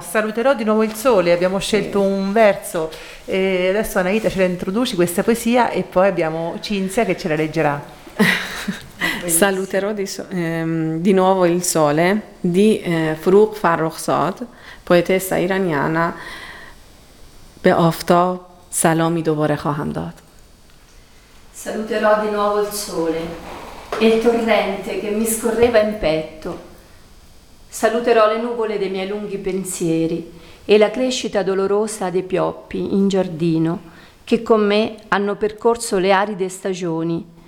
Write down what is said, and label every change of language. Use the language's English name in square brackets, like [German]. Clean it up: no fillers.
[Italian] Saluterò di nuovo il sole, abbiamo scelto un verso, e adesso Anahita ce la introduci questa poesia, e poi abbiamo Cinzia che ce la leggerà. saluterò di nuovo il sole di Farrokh Farrokhzad, poetessa iraniana. [Persian] به آفتاب سلامی دوباره خواهم داد. [Italian] Saluterò di nuovo il sole e il torrente che mi scorreva in petto. Saluterò le nuvole dei miei lunghi pensieri e la crescita dolorosa dei pioppi in giardino che con me hanno percorso le aride stagioni.